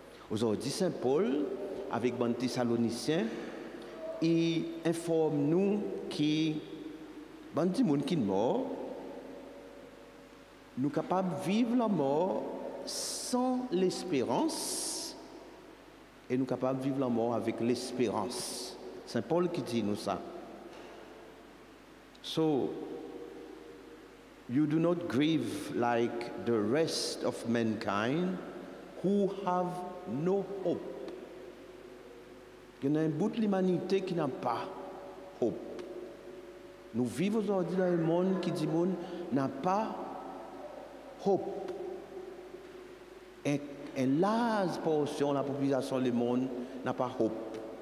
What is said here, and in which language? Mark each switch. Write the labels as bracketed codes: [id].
[fr] Aujourd'hui, Saint Paul, avec les Thessaloniciens, il informe nous que les gens qui sont morts, nous sommes capables de vivre la mort sans l'espérance et nous sommes capables de vivre la mort avec l'espérance. Saint Paul qui dit nous ça. [en] So, you do not grieve like the rest of mankind who have no hope. [fr] Il y a un bout de l'humanité qui n'a pas hope. Nous vivons aujourd'hui dans un monde qui dit que nous n'a pas hope. Une large portion de la population du monde n'a pas hope.